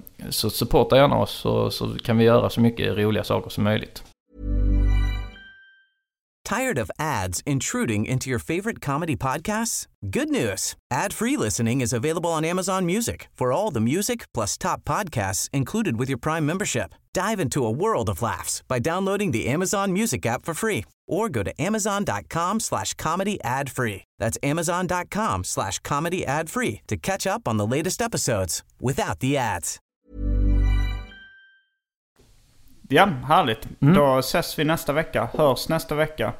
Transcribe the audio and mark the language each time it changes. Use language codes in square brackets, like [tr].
[sv] Så supporta gärna oss så kan vi göra så mycket roliga saker som möjligt. [en] Tired of ads intruding into your favorite comedy podcasts? Good news! Ad-free listening is available on Amazon Music for all the music plus top podcasts included with your Prime membership. Dive into a world of laughs by downloading the Amazon Music app for free or go to amazon.com/comedyadfree. That's amazon.com/comedyadfree to catch up on the latest episodes without the ads. [sv] Ja, härligt. Då ses vi nästa vecka. Hörs nästa vecka.